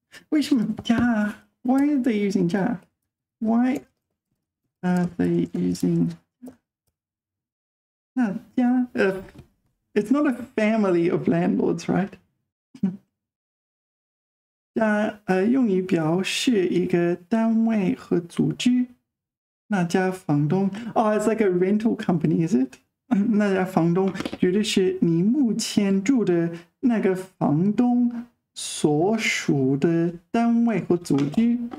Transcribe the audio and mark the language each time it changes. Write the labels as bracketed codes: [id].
[zh] 为什么家？ [en] Why are they using 家？Why are they using 那家？ It's not a family of landlords, right? [zh] 家用于表示一个单位和组织。那家房东哦， [en] it's like a rental company, is it? [zh] 那家房东绝对是你目前住的那个房东所属的单位和组织。